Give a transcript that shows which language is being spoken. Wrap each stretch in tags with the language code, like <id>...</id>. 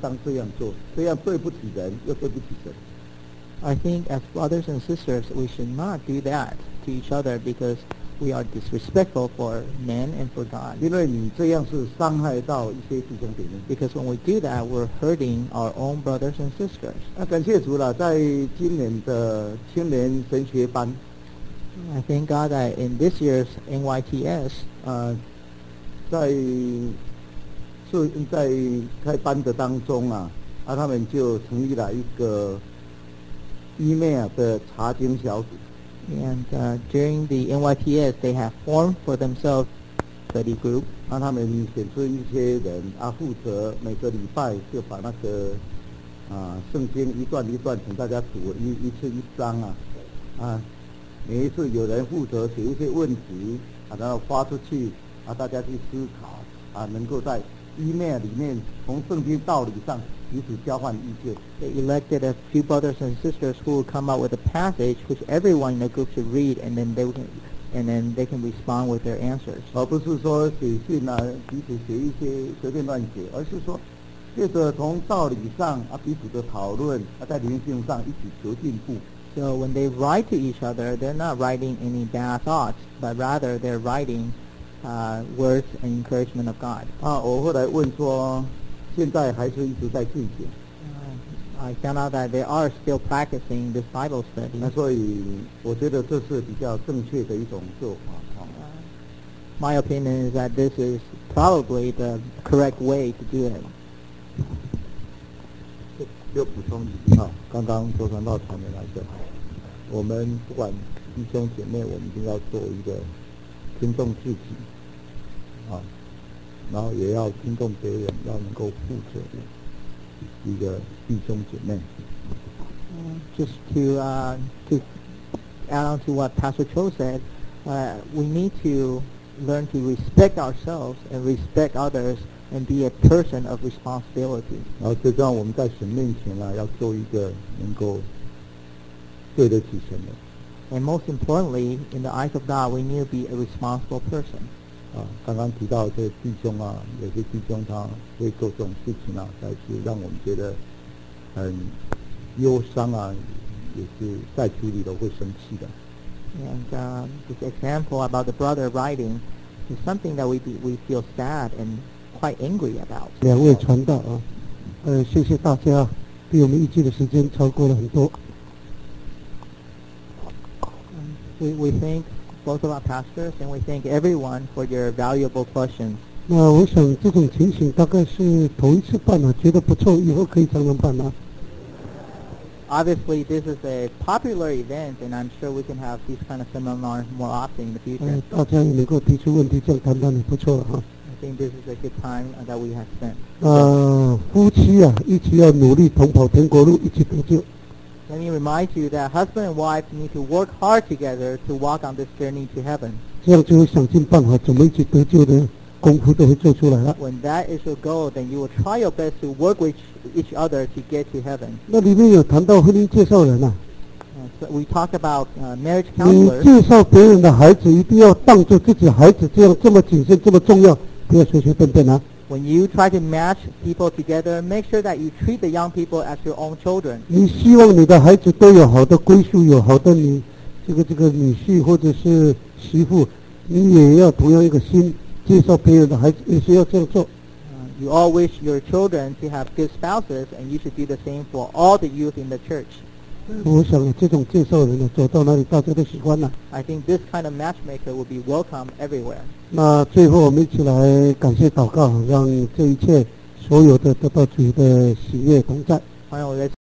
<zh>所以我想说我们弟兄姊妹当中不应当这样做，这样对不起人又对不起神。</zh> <en>I think as brothers and sisters we should not do that to each other, because we are disrespectful for men and for God.</en> <zh>因为你这样是伤害到一些弟兄姐妹。</zh> <en>Because when we do that, we're hurting our own brothers and sisters.</en> <zh>感谢主了，在今年的青年神学班。</zh> <en>I thank God that in this year's NYTS,</en> <zh>在就在开班的当中啊，啊，他们就成立了一个 email 的查经小组。</zh> <en>And during the NYTS, they have formed for themselves study group.</en> <zh>啊，他们选出一些人啊，负责每个礼拜就把那个啊圣经一段一段请大家读一次一章啊，啊，每一次有人负责写一些问题啊，然后发出去啊，大家去思考啊，能够在email 里面从圣经道理上彼此交换意见。</zh> <en>They elected a few brothers and sisters who would come up with a passage which everyone in the group should read, and then they can respond with their answers.</en> <zh>而不是说写信啊，彼此写一些随便乱写，而是说借着从道理上啊彼此的讨论啊，在灵性上一起求进步。</zh> <en>So when they write to each other, they're not writing any bad thoughts, but rather they're writing words and encouragement of God.</en> <zh>啊，我后来问说，现在还是一直在进行。</zh> <en>I found out that they are still practicing this Bible study.</en> <zh>那所以我觉得这是比较正确的一种做法。</zh> <en>My opinion is that this is probably the correct way to do it.</en> <zh>又补充一下，刚刚周传道传的那个，我们不管弟兄姐妹，我们一定要做一个尊重自己啊，然后也要尊重别人，要能够负责一个弟兄姐妹。</zh> <en>Just to add on to what Pastor Cho said, we need to learn to respect ourselves and respect others and be a person of responsibility.</en> <zh>然后就这样，我们在神面前呢，要做一个能够对得起神的。</zh> <en>And most importantly, in the eyes of God, we need to be a responsible person.</en> <zh>啊，刚刚提到这弟兄啊，有些弟兄他会做这种事情啊，但是让我们觉得很忧伤啊，也是在处理都会生气的。</zh> <en>And this example about the brother writing is something that we feel sad and quite angry about.</en> <zh>两位传道啊，谢谢大家，比我们预计的时间超过了很多。</zh> <en>We thank both of our pastors and we thank everyone for your valuable questions.</en> <zh>那我想这种情形大概是头一次办了，觉得不错，以后可以常常办吗？</zh> <en>Obviously, this is a popular event, and I'm sure we can have these kind of seminars more often in the future.</en> <zh>大家也能够提出问题，这样谈谈也不错哈。</zh> <en>I think this is a good time that we have spent.</en> <zh>夫妻啊，一起要努力同跑天国路，一起得救。</zh> <en>Let me remind you that husband and wife need to work hard together to walk on this journey to heaven.</en> <zh>这样就会想尽办法怎么一起得救的功夫都会做出来了。</zh> <en>When that is your goal, then you will try your best to work with each other to get to heaven.</en> <zh>那里面有谈到婚姻介绍人啊。</zh> <en>So we talk about marriage counselors.</en> <zh>你介绍别人的孩子，一定要当作自己孩子这样这么谨慎这么重要，不要随随便便啊。</zh> <en>When you try to match people together, make sure that you treat the young people as your own children.</en> <zh>你希望你的孩子都有好的归宿，有好的你这个女婿或者是媳妇，你也要同样一个心，介绍别人的孩子也是要这样做。</zh> <en>You all wish your children to have good spouses, and you should do the same for all the youth in the church.</en> <zh>我想这种介绍人呢，走到哪里大家都喜欢呢。</zh> <en>I think this kind of matchmaker will be welcome everywhere.</en> <zh>那最后我们一起来感谢祷告，让这一切所有的得到主的喜悦同在。</zh>